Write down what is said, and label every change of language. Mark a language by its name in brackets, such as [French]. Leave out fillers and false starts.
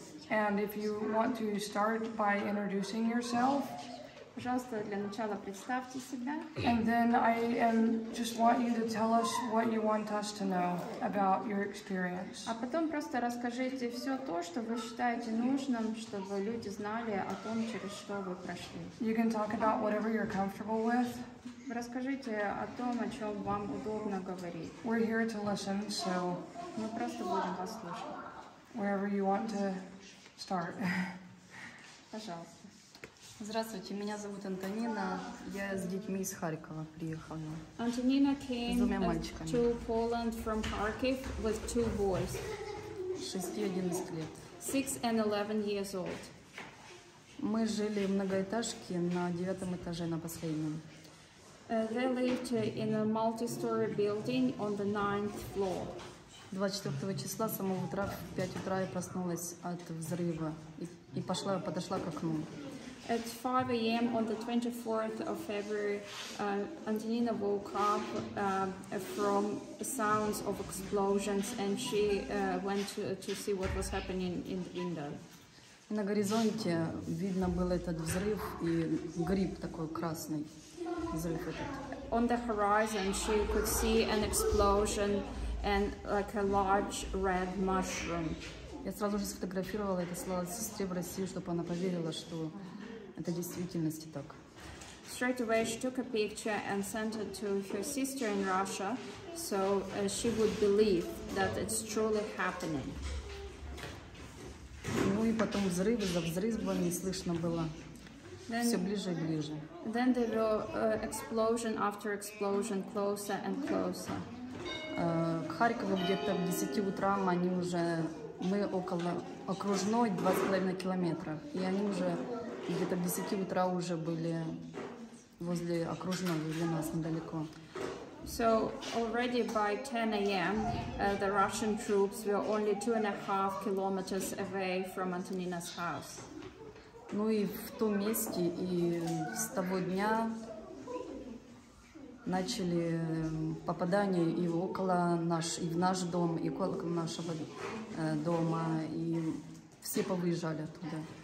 [English] And if you want to start by introducing yourself. And then I just want you to tell us what you want us to know about your experience. [Russian] А потом просто расскажите все то, что вы считаете нужным, чтобы люди знали о том, через что вы прошли. [English] You can talk about whatever you're comfortable with. [Russian] Расскажите о том, о чем вам удобно говорить. [English] We're here to listen, so. [Russian] Мы просто будем вас слушать. [English] Wherever you want to start. [Russian] Пожалуйста. Здравствуйте, меня зовут Антонина. Я с детьми из Харькова приехала. [English] Antonina came to Poland from Kharkiv with two boys. [Russian] 6 и 11 лет. [English] 6 and 11 years old. [Russian] Мы жили в многоэтажке на 9 этаже на последнем. [English] They lived in a multi-story building on the 9th floor. [Russian] 24 числа с самого утра в 5 утра я проснулась от взрыва и пошла, подошла к окну. [English] At 5 a.m. on the 24th of February, Antonina woke up from sounds of explosions, and she went to see what was happening in the window. [Russian] На горизонте видно был этот взрыв и гриб такой красный взрыв этот. [English] On the horizon, she could see an explosion and like a large red mushroom. [Russian] Я сразу же сфотографировала это, слала сестре в Россию, чтобы она поверила, что это действительности так. [English] Straight away she took a picture and sent it to her sister in Russia, so she would believe that it's truly happening. [Russian] Ну и потом взрывы за взрывами слышно было. Then, все ближе и ближе. [English] Then there were explosion after explosion, closer and closer. [Russian] К Харькову где-то в 10 утра они уже, мы около окружной 2,5 километра, и они уже где-то в 10 утра уже были возле окружного, для нас недалеко. [English] So already by 10 a.m. The Russian troops were only 2.5 kilometers away from Antonina's house. [Russian] Ну и в том месте и с того дня начали попадания и около наш, и в наш дом, и около нашего дома, и все повыезжали оттуда.